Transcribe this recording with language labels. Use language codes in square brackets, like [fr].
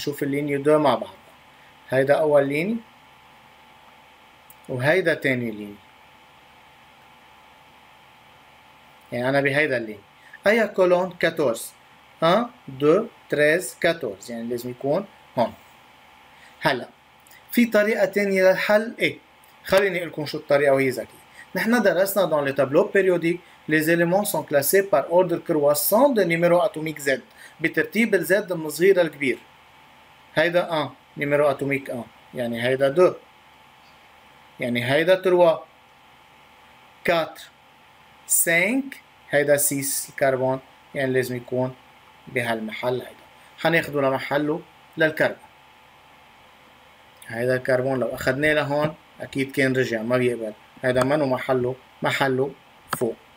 [ar] حنشوف الليني دو مع بعض، هيدا اول ليني وهيدا تاني ليني، يعني انا بهيدا الليني. اي كولون 14 1 2 3 14 يعني لازم يكون هون. هلا في طريقه تانية للحل، ايه خليني اقول لكم شو الطريقه وهي ذكيه. نحن درسنا دون لي تابلو بيريوديك [fr] les éléments sont classés par ordre croissant de numéro atomique Z [ar] بترتيب الـ Z من صغير لكبير. هيدا 1 نيميرو اتوميك 1 يعني هيدا 2 يعني هيدا 3 4 5 هيدا 6 الكربون، يعني لازم يكون بهالمحل. هيدا حناخده لمحله للكربون، هيدا الكربون لو اخذناه لهون اكيد كان رجع ما بيقبل، هيدا منو محله، محله فوق.